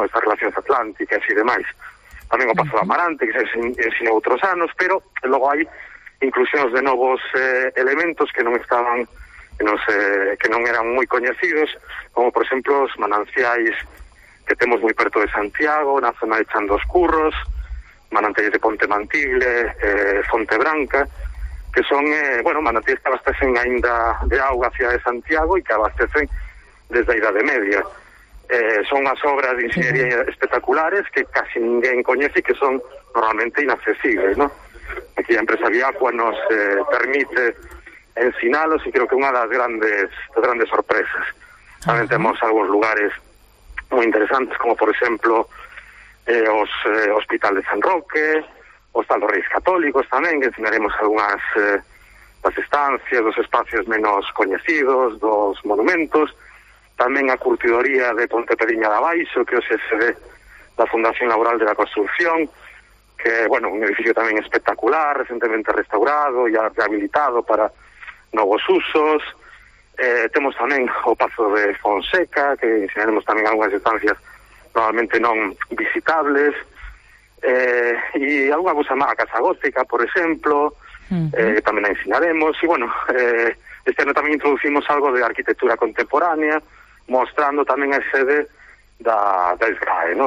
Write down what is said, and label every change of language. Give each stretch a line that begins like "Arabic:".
Galician: Estas relacións atlánticas e demais. Tamén o Pazo de Amarante, que se ensinou outros anos, pero logo hai inclusións de novos elementos que non estaban, que non eran moi coñecidos, como por exemplo os mananciais que temos moi perto de Santiago, na zona de Chandoscurros, mananciais de Ponte Mantigle, Fonte Branca, que son mananciais que abastecen aínda de auga a cidade de Santiago e que abastecen desde a Idade Media. Son as obras de ingeniería espectaculares que casi ninguén coñece e que son normalmente inaccesibles, ¿no? Aquí a empresa Viacua nos permite ensinalos e creo que unha das grandes sorpresas.
Spanish: También tenemos algunos lugares muy interesantes, como por ejemplo el Hospital de San Roque, o están los Reyes Católicos también, que enseñaremos algunas las estancias, los espacios menos conocidos, los monumentos. También a curtidoría de Ponte Pediña de Abaixo, que es sede la Fundación Laboral de la Construcción, que bueno, un edificio también espectacular, recientemente restaurado y rehabilitado para nuevos usos.
Galician: Temos tamén o Pazo de Fonseca, que enseñaremos tamén algunhas estancias normalmente non visitables, e algunha cousa má, a Casa Gótica, por exemplo, tamén a enseñaremos, e bueno, este ano tamén introducimos algo de arquitectura contemporánea, mostrando tamén a sede da SGAE, ¿no?